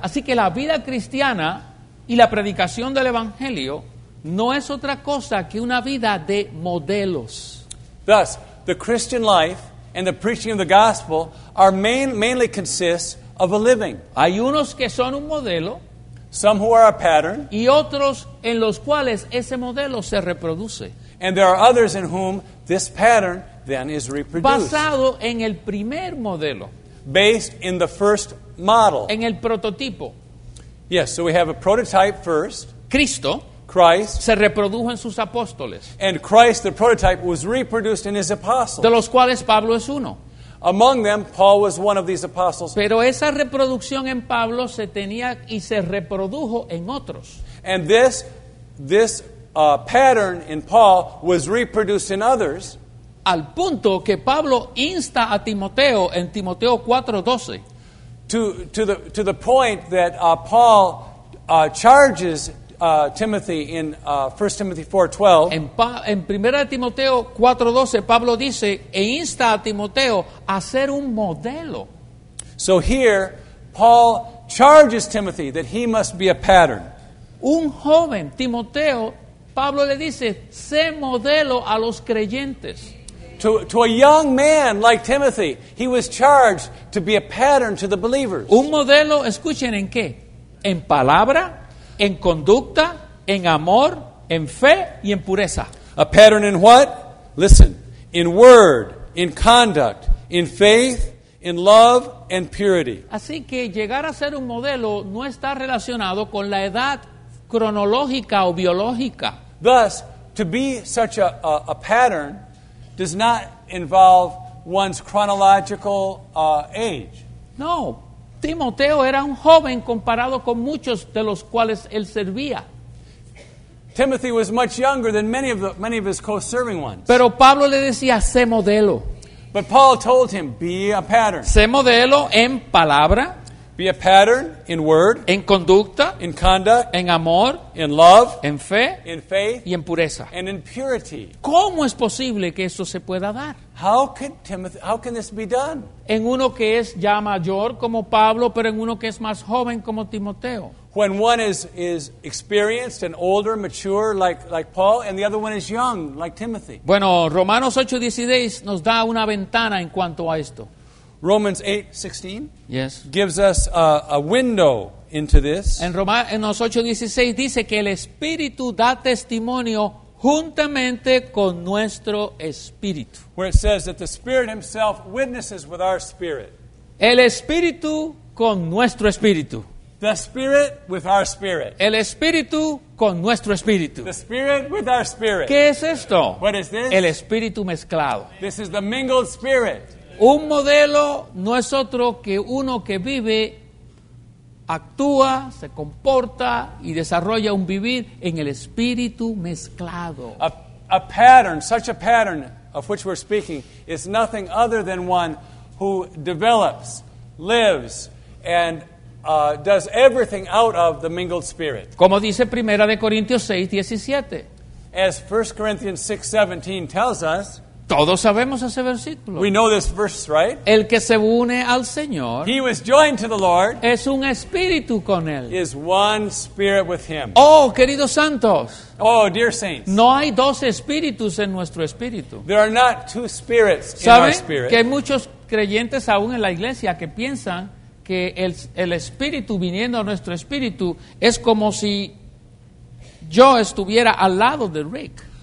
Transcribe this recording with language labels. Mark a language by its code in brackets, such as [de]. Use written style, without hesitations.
[es] Así que la vida cristiana y la predicación del evangelio no es otra cosa que una vida de modelos. [en] Thus, the Christian life and the preaching of the gospel are mainly consist of a living. [es] Hay unos que son un modelo. [en] Some who are a pattern. [es] Y otros en los cuales ese modelo se reproduce. [en] And there are others in whom this pattern then is reproduced. [es] Basado en el primer modelo. [en] Based in the first model. [es] En el prototipo. [en] Yes, so we have a prototype first. [es] Cristo. [en] Christ. [es] Se reprodujo en sus apóstoles. [en] And Christ, the prototype, was reproduced in his apostles. [es] De los cuales Pablo es uno. [en] Among them, Paul was one of these apostles. [es] Pero esa reproducción en Pablo se tenía y se reprodujo en otros. [en] And this pattern in Paul was reproduced in others. [es] Al punto que Pablo insta a Timoteo en Timoteo 4:12. [en] To the point that Paul charges Timothy in 1 Timothy 4:12. [es] En Primera de Timoteo 4:12 Pablo dice e insta a Timoteo a ser un modelo. [en] So here Paul charges Timothy that he must be a pattern. [es] Un joven Timoteo, Pablo le dice, sé modelo a los creyentes. [en] To a young man like Timothy, he was charged to be a pattern to the believers. [es] Un modelo, escuchen, ¿en qué? En palabra, en conducta, en amor, en fe, y en pureza. [en] A pattern in what? Listen, in word, in conduct, in faith, in love, and purity. [es] Así que llegar a ser un modelo no está relacionado con la edad cronológica o biológica. [en] Thus, to be such a pattern does not involve one's chronological age. [es] No, Timoteo era un joven comparado con muchos de los cuales él servía. [en] Timothy was much younger than many of his co-serving ones. [es] Pero Pablo le decía, sé modelo. [en] But Paul told him, be a pattern. [es] Sé modelo en palabra. [en] Be a pattern in word. [es] En conducta. [en] In conduct. [es] En amor. [en] In love. [es] En fe. [en] In faith. [es] Y en pureza. [en] And in purity. [es] ¿Cómo es posible que eso se pueda dar? [en] How can this be done? [es] En uno que es ya mayor como Pablo, pero en uno que es más joven como Timoteo. [en] When one is experienced and older, mature like Paul, and the other one is young like Timothy. [es] Bueno, Romanos 8:16 nos da una ventana en cuanto a esto. [en] Romans 8:16, yes, gives us a window into this. [es] En Romanos 8:16 dice que el Espíritu da testimonio juntamente con nuestro espíritu. [en] Where it says that the Spirit himself witnesses with our spirit. [es] El Espíritu con nuestro espíritu. [en] The Spirit with our spirit. [es] El Espíritu con nuestro espíritu. [en] The Spirit with our spirit. [es] ¿Qué es esto? [en] What is this? [es] El Espíritu mezclado. [en] This is the mingled spirit. [es] Un modelo no es otro que uno que vive, actúa, se comporta y desarrolla un vivir en el espíritu mezclado. [en] A pattern, such a pattern of which we're speaking, is nothing other than one who develops, lives, and does everything out of the mingled spirit. [es] Como dice Primera de Corintios 6:17. [en] As 1 Corinthians 6:17 tells us, [es] todos sabemos ese versículo. [en] We know this verse, right? [es] El que se une al Señor, [en] he was joined to the Lord, [es] es un espíritu con él. [en] Is one spirit with him. [es] Oh, queridos santos. [en] Oh, dear saints. [es] No hay dos espíritus en nuestro espíritu. [en] There are not two spirits in our spirit. [es] Que hay muchos creyentes aún en la iglesia que piensan que el espíritu viniendo a nuestro espíritu es como si yo estuviera al lado de Rick.